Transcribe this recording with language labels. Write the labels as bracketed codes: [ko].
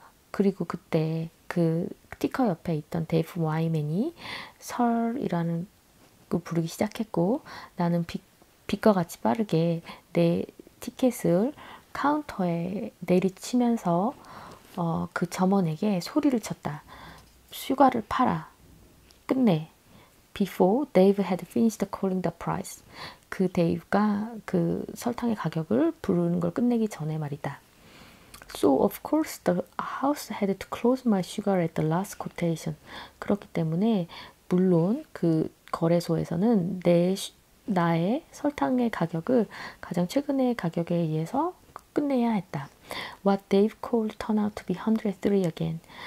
[ko] 그리고 그때 그 티커 옆에 있던 데이브 와이맨이 설이라는 걸 부르기 시작했고, 나는 빛과 같이 빠르게 내 티켓을 카운터에 내리치면서 그 점원에게 소리를 쳤다. 슈가를 팔아. 끝내. [en] Before Dave had finished calling the price. [ko] 그 데이브가 그 설탕의 가격을 부르는 걸 끝내기 전에 말이다. [en] So of course the house had to close my sugar at the last quotation. [ko] 그렇기 때문에 물론 그 거래소에서는 나의 설탕의 가격을 가장 최근의 가격에 의해서 끝내야 했다. [en] What Dave called turn out to be 103 again.